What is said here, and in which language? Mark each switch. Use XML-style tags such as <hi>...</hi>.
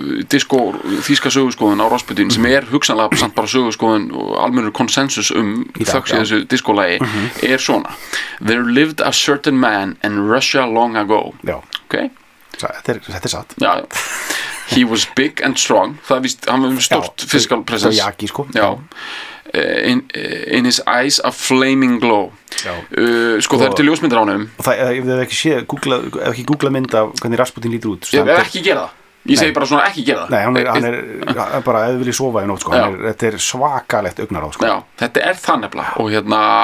<is>disko, þýska söguskoðun á Rasputin sem er hugsanlega samt bara söguskoðun og almennur konsensus þöks í þessu diskolagi er svona</is> <en>There lived a certain man and Russia long ago.</en> <is>Þetta er satt. Já.</is> <en>He was big and strong.</en> <is>Það er víst, hann var stórt</is> <en>physical presence.</en> <is>Já, ekki sko. Já.</is> <en>In his eyes a flaming glow.</en> <is>Sko, það er til ljósmyndir á honum. Og það, ef þið ekki sé, ef ekki googla mynd af hvernig Rasputin lítur út. Ég ekki gera það. Ég segi bara svona ekki gera það. Nei, hann er bara eða vilji sofa í nótt, sko. Þetta er svakalegt augnaráð, sko. Já, þetta er það nefnilega. Og hérna...</is>